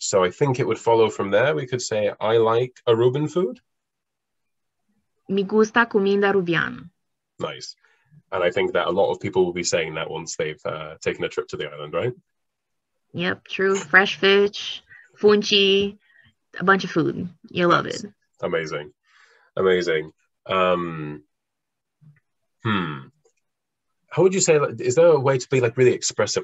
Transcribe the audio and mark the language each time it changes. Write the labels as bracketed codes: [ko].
[en] So I think it would follow from there. We could say, I like Aruban food. [pap] Me gusta comida Arubiano. [en] Nice. And I think that a lot of people will be saying that once they've taken a trip to the island, right? Yep, true. Fresh fish, funchi, a bunch of food. You'll love it. Amazing. Amazing. How would you say, is there a way to be like really expressive?